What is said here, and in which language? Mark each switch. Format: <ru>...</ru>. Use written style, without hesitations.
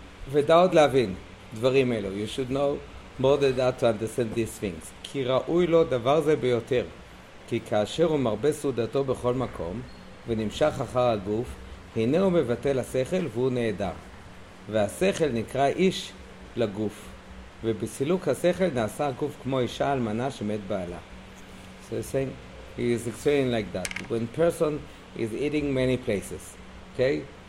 <he>Vedaot Lavin, Dvarim Elo,</he> <en>you should know more than that to understand these things.</en> <he>Ki ra'ui lo davar ze beyoter, ki kasher hu marbe sudato bechol makom, ונמשך אחר הגוף, הנה הוא מבטל השכל והוא נהדר. והשכל נקרא איש לגוף. ובסילוק השכל נעשה הגוף כמו אישה אלמנה שמת בעלה.</he> <en>So he's saying, he is explaining like that. When person is eating many places, okay?</en>